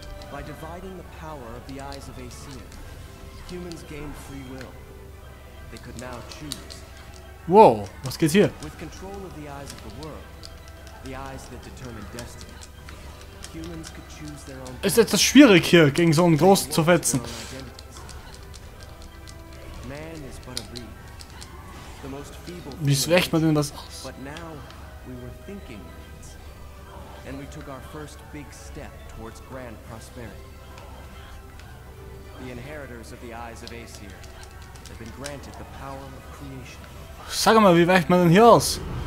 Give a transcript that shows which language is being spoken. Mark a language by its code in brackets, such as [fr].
[en] By dividing the power of the eyes of Aesir, humans gained free will. They could now choose. [de] Whoa, was geht hier? [en] With control of the eyes of the world, the eyes that determine destiny, humans could choose their own. [de] Ist etwas schwierig hier gegen so einen großen zu fetzen. [en] Man is but a reed. The most feeble. [de] Wie schwächt man denn das? [en] But now we were thinking. And we took our first big step towards grand prosperity. The inheritors of the eyes of Aesir have been granted the power of creation. [de] Sag mal, wie weicht man denn hier aus?